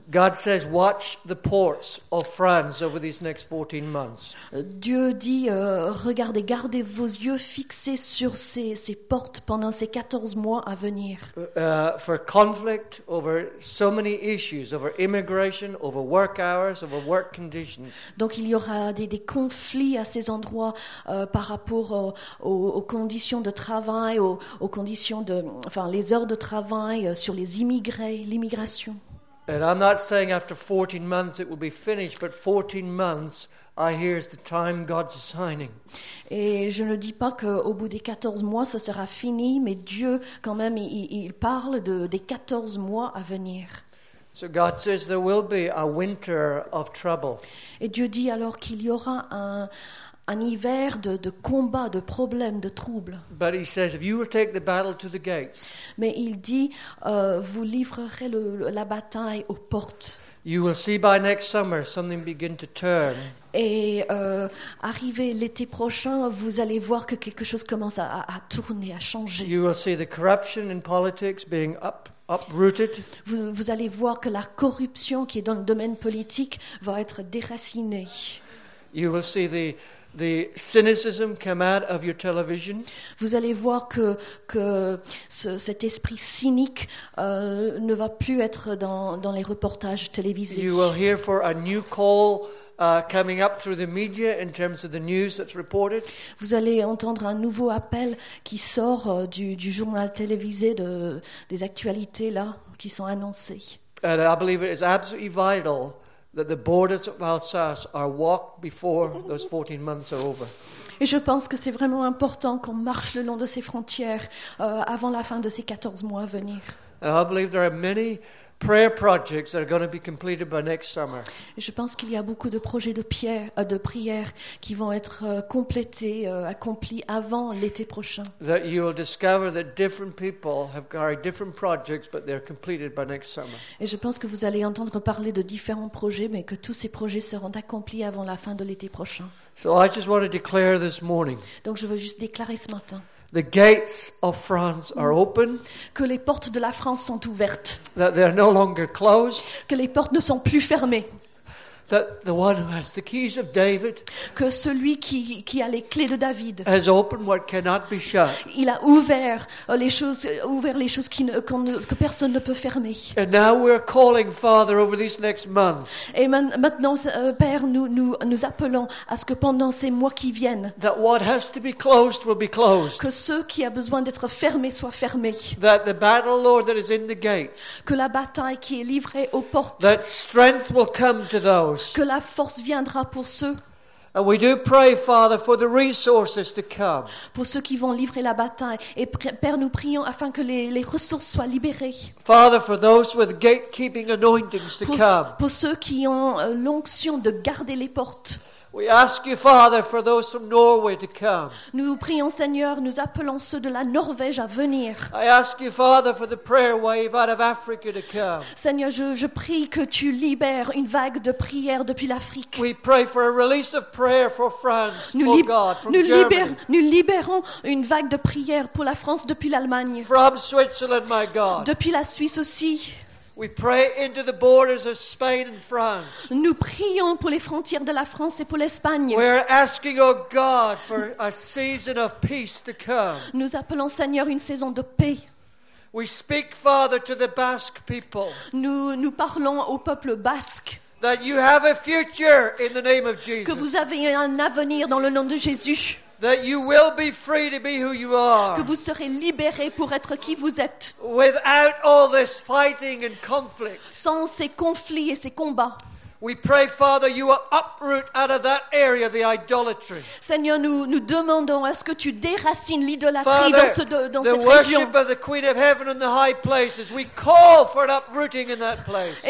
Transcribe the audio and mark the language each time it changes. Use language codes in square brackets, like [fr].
[en] God says, watch the ports of France over these next 14 months. [fr] Dieu dit, regardez, gardez vos yeux fixés sur ces portes pendant ces 14 mois à venir. [en] For conflict over so many issues, over immigration, over work hours, over work conditions. [fr] Donc il y aura des conflits à ces endroits par rapport aux conditions de travail, aux conditions de, enfin, les heures de travail, sur les immigrés, l'immigration. [en] And I'm not saying after 14 months it will be finished, but 14 months I hear is the time God's assigning. [fr] Et je ne dis pas qu'au bout des 14 mois ce sera fini, mais Dieu quand même il parle des 14 mois à venir. [en] So God says there will be a winter of trouble. [fr] Et Dieu dit alors qu'il y aura un hiver de combats, de problèmes, de troubles. [en] But he says, if you will take the battle to the gates. [fr] Mais il dit, vous livrerez la bataille aux portes. [en] You will see by next summer something begin to turn. [fr] Et arrivé l'été prochain, vous allez voir que quelque chose commence à tourner, à changer. [en] You will see the corruption in politics being up. Uprooted. [fr] Vous allez voir que la corruption qui est dans le domaine politique va être déracinée. [en] You will see the cynicism come out of your television. [fr] Vous allez voir que cet esprit cynique ne va plus être dans les reportages télévisés. [en] You will hear for a new call coming up through the media in terms of the news that's reported. [fr] Vous allez entendre un nouveau appel qui sort du journal télévisé des actualités là qui sont annoncées. [en] And I believe it is absolutely vital that the borders of Alsace are walked before those 14 months are over. [fr] Et je pense que c'est vraiment important qu'on marche le long de ces frontières avant la fin de ces 14 mois à venir. [en] And I believe there are many prayer projects that are going to be completed by next summer. [fr] Je pense qu'il y a beaucoup de projets de prières qui vont être complétés, accomplis avant l'été prochain. [en] That you will discover that different people have carried different projects, but they're completed by next summer. [fr] Et je pense que vous allez entendre parler de différents projets, mais que tous ces projets seront accomplis avant la fin de l'été prochain. [en] So I just want to declare this morning. [fr] Donc je veux juste déclarer ce matin. [en] The gates of France are open. [fr] Que les portes de la France sont ouvertes. [en] That they are no longer closed. [fr] Que les portes ne sont plus fermées. [en] That the one who has the keys of David. [fr] Que celui qui a les clés de David. [en] Has opened what cannot be shut. [fr] Il a ouvert les choses que personne ne peut fermer. [en] And now we are calling, Father, over these next months. [fr] Et maintenant, Père, nous appelons à ce que pendant ces mois qui viennent. [en] That what has to be closed will be closed. [fr] Que ce qui a besoin d'être fermé soit fermé. [en] That the battle, Lord, that is in the gates. [fr] Que la bataille qui est livrée aux portes. [en] That strength will come to those. [fr] Que la force viendra pour ceux. [en] And we do pray, Father, for the resources to come. [fr] Pour ceux qui vont livrer la bataille. Et Père, nous prions afin que les ressources soient libérées. [en] Father, for those with gatekeeping anointings to come. [fr] Pour ceux qui ont l'onction de garder les portes. [en] We ask you, Father, for those from Norway to come. [fr] Nous prions, Seigneur, nous appelons ceux de la Norvège à venir. [en] I ask you, Father, for the prayer wave out of Africa to come. [fr] Seigneur, je prie que tu libères une vague de prière depuis l'Afrique. [en] We pray for a release of prayer for France, for God, from Germany. [fr] Nous libérons une vague de prière pour la France depuis l'Allemagne. [en] From Switzerland, my God. [fr] Depuis la Suisse aussi. [en] We pray into the borders of Spain and France. [fr] Nous prions pour les frontières de la France et pour l'Espagne. [en] We are asking, oh God, for a season of peace to come. [fr] Nous appelons, Seigneur, une saison de paix. [en] We speak, Father, to the Basque people. [fr] Nous parlons au peuple basque. [en] That you have a future in the name of Jesus. [fr] Que vous avez un avenir dans le nom de Jésus. [en] That you will be free to be who you are. [fr] Que vous serez libérés pour être qui vous êtes. [en] Without all this fighting and conflict. [fr] Sans ces conflits et ces combats. [en] We pray, Father, you will uproot out of that area the idolatry. [fr] Seigneur, nous demandons à ce que tu déracines l'idolâtrie [en] Father, [fr] dans cette [en] worship [fr] région. [en] Worship of the Queen of Heaven in the high places. We call for an uprooting in that place.